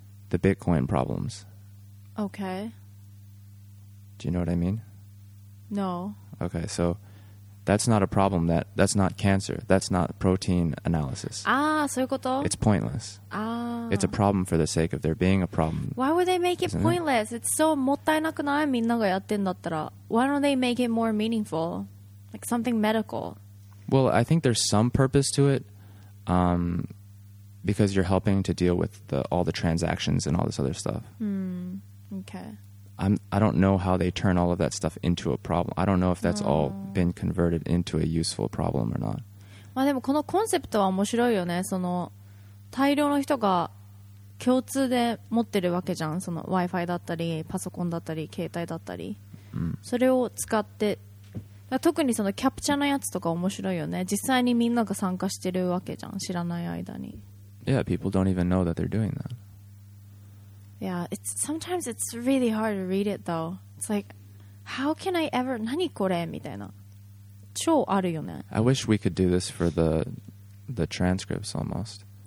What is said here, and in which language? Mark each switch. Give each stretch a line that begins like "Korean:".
English: The Bitcoin problems. Okay. Do you know what I mean? No. Okay, so that's not a problem. That's not cancer. That's not protein analysis.
Japanese: Ah, そういうこと?
English: It's pointless. Ah. It's a problem for the sake of there being a problem. Why would they make it pointless? It's so
Japanese: もったいなくない?みんながやってんだったら。
English: Why don't they make it more meaningful? Like something medical. Well, I think there's some purpose to it because you're helping to deal with all the transactions and all this other stuff. Okay. I don't know how they turn all of that stuff into a problem. I don't know if that's all been converted into a useful problem or not.
Japanese: まあでもこのコンセプトは面白いよね。その大量の人が共通で持ってるわけじゃん。その Wi-Fi だったりパソコンだったり携帯だったり。それを使って、だ特にそのキャプチャーのやつとか面白いよね。実際にみんなが参加してるわけじゃん。知らない間に。
English: Yeah, people don't even know that they're doing that. Yeah, sometimes it's really hard to read it though. It's like, how can I ever...
Japanese: 何これ?みたいな。超あるよね。
English: I wish we could do this for the transcripts almost.